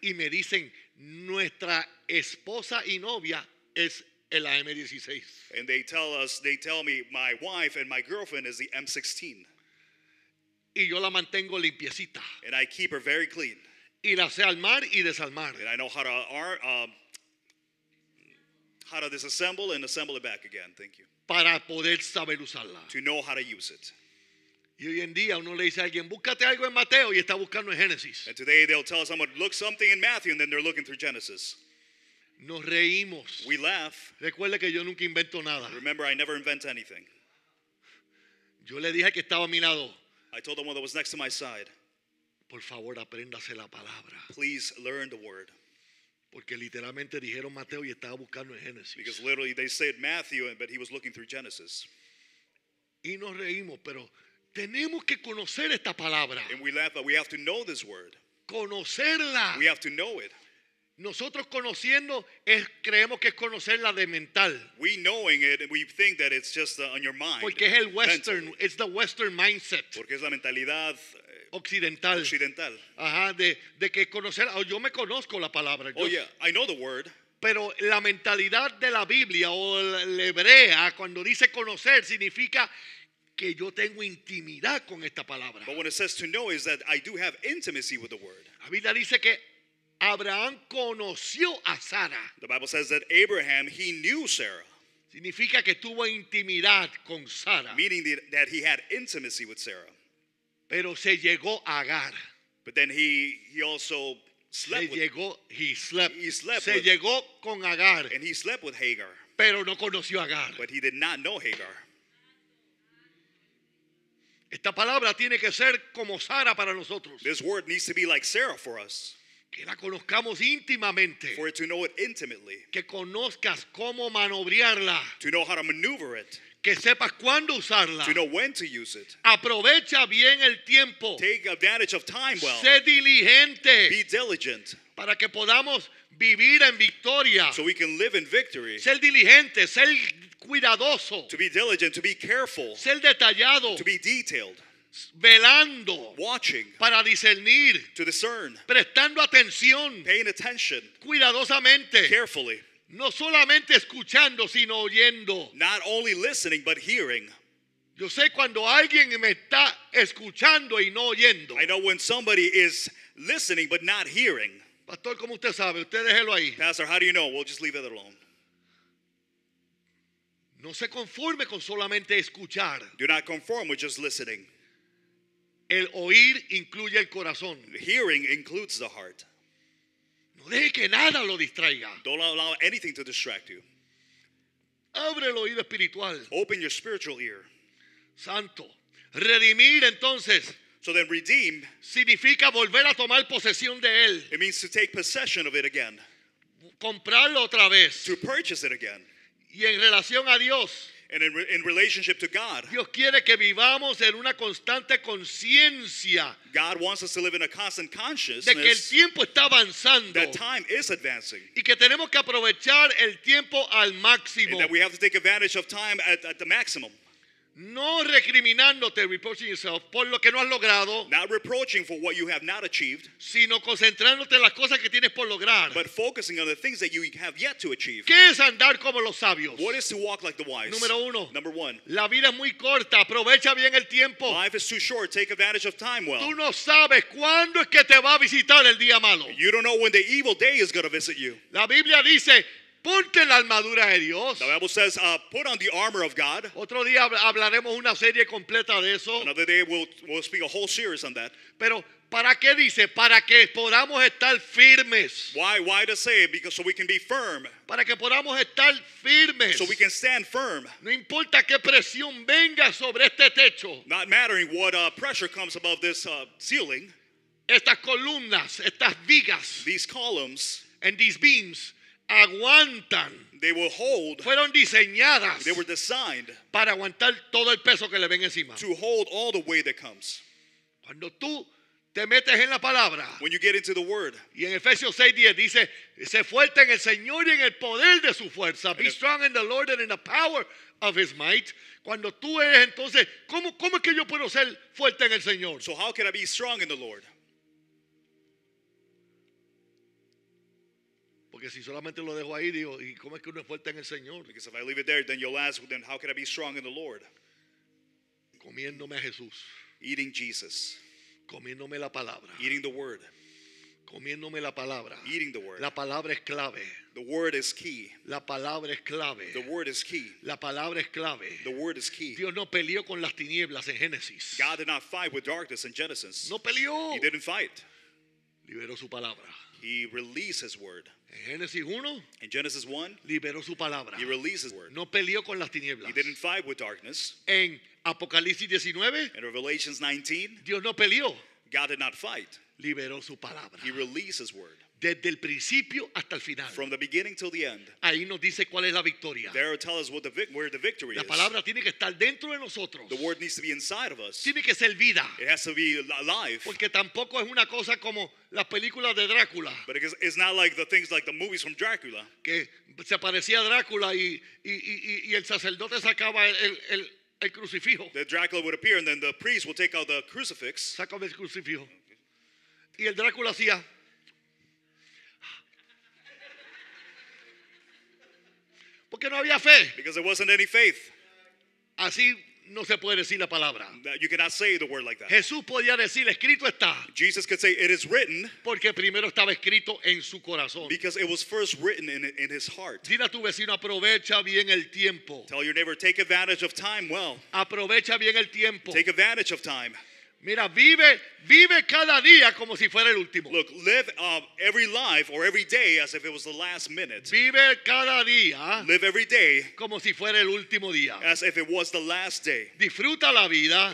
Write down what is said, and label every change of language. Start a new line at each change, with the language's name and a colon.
Spanish: Y me dicen, nuestra esposa y novia es el AM-16.
English: And they tell me, my wife and my girlfriend is the M-16.
Spanish: Y yo la mantengo limpiecita.
English: And I keep her very clean.
Spanish: Y la sé armar y desarmar.
English: And I know how to disassemble and assemble it back again. Thank you.
Spanish: Para poder saber usarla.
English: To know how to use it.
Spanish: Y hoy en día uno le dice a alguien, búscate algo en Mateo y está buscando en Génesis.
English: And today they'll tell someone, look something in Matthew, and then they're looking through Genesis.
Spanish: Nos reímos.
English: We laugh.
Spanish: Recuerde que yo nunca invento nada.
English: Remember, I never invent anything.
Spanish: Yo le dije que estaba a mi lado.
English: I told them what was next to my side.
Spanish: Por favor, apréndase la palabra.
English: Please learn the word.
Spanish: Porque literalmente dijeron Mateo y estaba buscando en Génesis.
English: Because literally they said Matthew, but he was looking through Genesis.
Spanish: Y nos reímos, pero tenemos que conocer esta palabra.
English: And we laugh, but we have to know this word.
Spanish: Conocerla.
English: We have to know it.
Spanish: Nosotros conociendo creemos que es conocerla de mental.
English: We knowing it, we think that it's just on your mind.
Spanish: Porque es el Western, mental.
English: It's the Western mindset.
Spanish: Porque es la mentalidad occidental.
English: Occidental.
Spanish: Ajá, de que conocer. Oh, yo me conozco la palabra.
English: Oh yeah, I know the word.
Spanish: Pero la mentalidad de la Biblia o la hebrea cuando dice conocer significa que yo tengo intimidad con esta palabra.
English: But what it says to know is that I do have intimacy with the word.
Spanish: La Biblia dice que Abraham conoció a Sara.
English: The Bible says that Abraham, he knew Sarah.
Spanish: Significa que tuvo intimidad con Sara.
English: Meaning that he had intimacy with Sarah.
Spanish: Pero se llegó a Agar.
English: But then he also slept
Spanish: se
English: with
Spanish: llegó,
English: he slept. He slept
Spanish: se
English: with,
Spanish: llegó con Agar.
English: And he slept with Hagar.
Spanish: Pero no conoció a Agar.
English: But he did not know Hagar.
Spanish: Esta palabra tiene que ser como Sara para nosotros.
English: This word needs to be like Sarah for us.
Spanish: Que la conozcamos íntimamente.
English: For it to know it intimately.
Spanish: Que conozcas cómo manobrearla.
English: To know how to maneuver it.
Spanish: Que sepas cuándo usarla.
English: To know when to use it.
Spanish: Aprovecha bien el tiempo.
English: Take advantage of time well.
Spanish: Sé diligente.
English: Be diligent.
Spanish: Para que podamos vivir en victoria.
English: So we can live in victory.
Spanish: Ser diligente, ser cuidadoso.
English: To be diligent, to be careful.
Spanish: Ser detallado.
English: To be detailed.
Spanish: Velando.
English: Watching.
Spanish: Para discernir.
English: To discern.
Spanish: Prestando atención.
English: Paying attention.
Spanish: Cuidadosamente.
English: Carefully.
Spanish: No solamente escuchando, sino oyendo.
English: Not only listening, but hearing.
Spanish: Yo sé cuando alguien me está escuchando y no oyendo.
English: I know when somebody is listening, but not hearing.
Spanish: Pastor, ¿cómo usted sabe? Usted déjelo ahí.
English: Pastor, how do you know? We'll just leave it alone.
Spanish: No se conforme con solamente escuchar.
English: Do not conform with just listening.
Spanish: El oír incluye el corazón.
English: Hearing includes the heart.
Spanish: No deje que nada lo distraiga.
English: Don't allow anything to distract you.
Spanish: Abre el oído espiritual.
English: Open your spiritual ear.
Spanish: Santo. Redimir entonces.
English: So then redeem.
Spanish: Significa volver a tomar posesión de él.
English: It means to take possession of it again.
Spanish: Comprarlo otra vez.
English: To purchase it again.
Spanish: Y en relación a Dios.
English: And in relationship to God.
Spanish: Dios quiere que vivamos en una constante conciencia.
English: God wants us to live in a constant consciousness.
Spanish: De que el tiempo está avanzando.
English: That time is advancing.
Spanish: Y que tenemos que aprovechar el tiempo al máximo.
English: And that we have to take advantage of time at the maximum.
Spanish: No recriminándote,
English: reproaching yourself,
Spanish: por lo que no has logrado.
English: Not reproaching for what you have not achieved.
Spanish: Sino concentrándote en las cosas que tienes por lograr.
English: But focusing on the things that you have yet to achieve.
Spanish: ¿Qué es andar como los sabios?
English: What is to walk like the wise?
Spanish: Número uno.
English: Number one.
Spanish: La vida es muy corta. Aprovecha bien el tiempo.
English: Life is too short. Take advantage of time well.
Spanish: Tú no sabes cuándo es que te va a visitar el día malo.
English: You don't know when the evil day is going to visit you.
Spanish: La Biblia dice... Ponte la armadura de Dios.
English: The Bible says, put on the armor of God.
Spanish: Otro día hablaremos una serie completa de eso.
English: Another day we'll speak a whole series on that.
Spanish: Pero, ¿para qué dice? Para que podamos estar firmes.
English: Why to say it? Because so we can be firm.
Spanish: Para que podamos estar firmes.
English: So we can stand firm.
Spanish: No importa qué presión venga sobre este techo.
English: Not mattering what pressure comes above this ceiling.
Spanish: Estas columnas, estas vigas.
English: These columns. And these beams.
Spanish: Aguantan.
English: They will hold.
Spanish: Fueron diseñadas.
English: They were designed.
Spanish: Para aguantar todo el peso que le ven encima.
English: To hold all the weight that comes.
Spanish: Cuando tú te metes en la palabra.
English: When you get into the word.
Spanish: Y en Efesios 6:10 dice, "Sé fuerte en el Señor y en el poder de su fuerza."
English: Be strong in the Lord and in the power of his might.
Spanish: Cuando tú eres entonces, ¿cómo es que yo puedo ser fuerte en el Señor?
English: So how can I be strong in the Lord?
Spanish: Porque si solamente lo dejo ahí, digo, ¿y cómo es que uno es fuerte en el Señor?
English: Because if I leave it there, then you'll ask, then how can I be strong in the Lord?
Spanish: Comiéndome a Jesús.
English: Eating Jesus.
Spanish: Comiéndome la palabra.
English: Eating the word.
Spanish: Comiéndome la palabra.
English: Eating the word.
Spanish: La palabra es clave.
English: The word is key.
Spanish: La palabra es clave.
English: The word is key.
Spanish: La palabra es clave.
English: The word is key.
Spanish: Dios no peleó con las tinieblas en Génesis.
English: God did not fight with darkness in Genesis.
Spanish: No peleó.
English: He didn't fight.
Spanish: Liberó su palabra.
English: He released his word. In Genesis 1,
Spanish: liberó su palabra.
English: He released his word.
Spanish: No peleó con las tinieblas.
English: He didn't fight with darkness.
Spanish: En Apocalipsis 19,
English: in Revelation 19,
Spanish: Dios no peleó.
English: God did not fight.
Spanish: Liberó su palabra.
English: He released his word.
Spanish: Desde el principio hasta el final.
English: From the beginning till the end.
Spanish: Ahí nos dice cuál es la victoria.
English: There it tells us where the victory is.
Spanish: La palabra tiene que estar dentro de nosotros.
English: The word needs to be inside of us.
Spanish: Tiene que ser vida.
English: It has to be alive.
Spanish: Porque tampoco es una cosa como las películas de Drácula.
English: But it's not like the things like the movies from Dracula.
Spanish: Que se aparecía Drácula y el sacerdote sacaba el crucifijo.
English: The Dracula would appear and then the priest would take out the crucifix.
Spanish: Sacaba el crucifijo. Y el Drácula hacía... Porque no había fe.
English: Because there wasn't any faith.
Spanish: Así no se puede decir la palabra.
English: You cannot say the word like that.
Spanish: Jesús podía decir, escrito está.
English: Jesus could say, it is written.
Spanish: Porque primero estaba escrito en su corazón.
English: Because it was first written in his heart.
Spanish: Dile a tu vecino, aprovecha bien el tiempo.
English: Tell your neighbor, take advantage of time well.
Spanish: Aprovecha bien el tiempo.
English: Take advantage of time.
Spanish: Mira, vive cada día como si fuera el último.
English: Look, live every life or every day as if it was the last minute.
Spanish: Vive cada día.
English: Live every day
Spanish: como si fuera el último día.
English: As if it was the last day.
Spanish: Disfruta la vida.